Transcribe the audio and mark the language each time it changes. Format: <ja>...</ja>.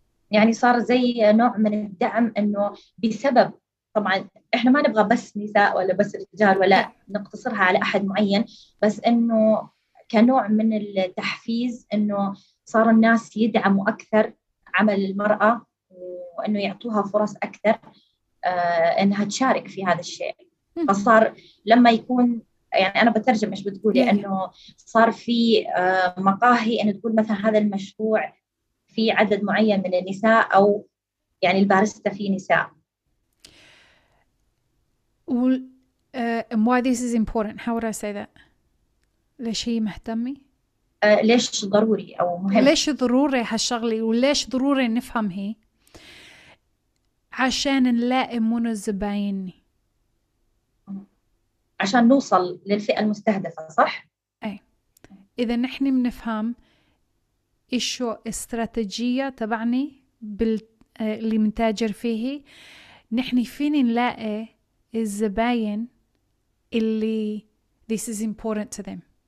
<ar>يعني صار زي نوع من الدعم أنه بسبب طبعاً إحنا ما نبغى بس نساء ولا بس رجال ولا نقتصرها على أحد معين بس أنه كنوع من التحفيز أنه صار الناس يدعموا أكثر عمل المرأة وأنه يعطوها فرص أكثر أنها تشارك في هذا الشيء. فصار لما يكون يعني أنا بترجم إيش بتقولي أنه صار في مقاهي أن تقول مثلا هذا المشروع في عدد معين من النساء أو يعني الباريستا في نساء.</ar> <en>And why this is important, how would I say that?</en> <ar>ليش هي مهتمة؟ ليش ضروري أو مهم؟ ليش ضروري هالشغلة وليش ضروري نفهم هي؟ عشان نلاقي من الزباين عشان نوصل للفئة المستهدفة صح؟ أي. إذا نحن بنفهم إيشو استراتيجية تبعني اللي منتاجر فيه نحن فين نلاقي الزباين اللي</ar> <en>this is important to them.</en>